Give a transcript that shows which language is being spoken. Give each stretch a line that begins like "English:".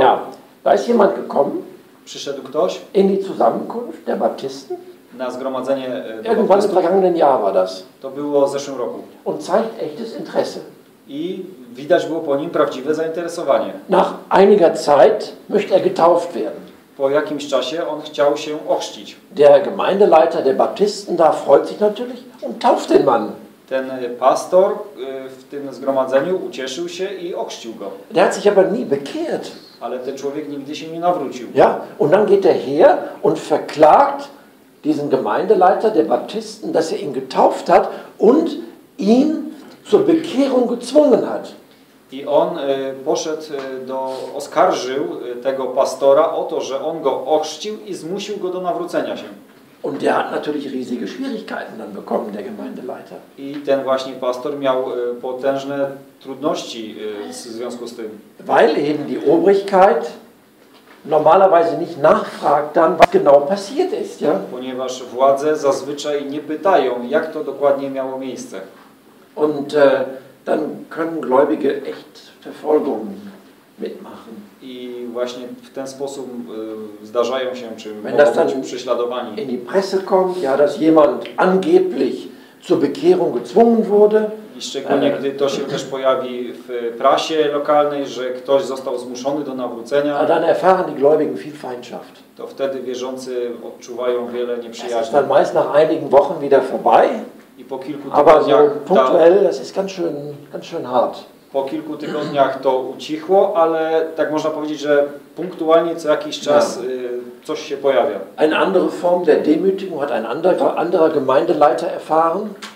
German: Ja, da ist jemand gekommen.
Polish: Przyszedł ktoś.
German: In die Zusammenkunft der Baptisten.
Polish: Na zgromadzenie.
German: Irgendwann im vergangenen Jahr war das.
Polish: To było w zeszłym roku.
German: Und zeigt echtes Interesse.
Polish: I widać było po nim prawdziwe zainteresowanie.
German: Nach einiger Zeit möchte er getauft werden.
Polish: Po jakimś czasie on chciał się ochrzcić.
German: Der Gemeindeleiter der Baptisten da freut sich natürlich und tauft den Mann.
Polish: Ten pastor w tym zgromadzeniu ucieszył się i ochrzcił go.
German: Der hat sich aber nie bekehrt.
Polish: Ale ten człowiek nigdy się nie nawrócił.
German: Ja, und dann geht er her und verklagt diesen Gemeindeleiter der Baptisten, dass er ihn getauft hat und ihn zur Bekehrung gezwungen hat.
Polish: I on poszedł do, oskarżył tego pastora o to, że on go ochrzcił i zmusił go do nawrócenia się.
German: Und der hat natürlich riesige Schwierigkeiten dann bekommen, der Gemeindeleiter.
Polish: I ten właśnie pastor miał potężne trudności w związku z tym.
German: Weil eben die Obrigkeit normalerweise nicht nachfragt dann, was genau passiert ist, ja?
Polish: Ponieważ władze zazwyczaj nie pytają, jak to dokładnie miało miejsce.
German: Und dann können Gläubige echt Verfolgung mitmachen.
Polish: I właśnie w ten sposób zdarzają się, czy mogą być prześladowani.
German: In die Presse kommt, ja, dass jemand angeblich zur Bekehrung gezwungen wurde.
Polish: I szczególnie, gdy to się też pojawi w prasie lokalnej, że ktoś został zmuszony do nawrócenia.
German: A dann erfahren die Gläubigen viel Feindschaft.
Polish: To wtedy wierzący odczuwają wiele nieprzyjaźni.
German: Es ist dann meist nach einigen Wochen wieder vorbei.
Polish: I po kilku tygodniach.
German: Aber so punktuell, das ist ganz schön hart.
Polish: Po kilku tygodniach to ucichło, ale tak można powiedzieć, że punktualnie co jakiś czas coś się pojawia.
German: Eine andere Form der Demütigung hat ein anderer Gemeindeleiter erfahren.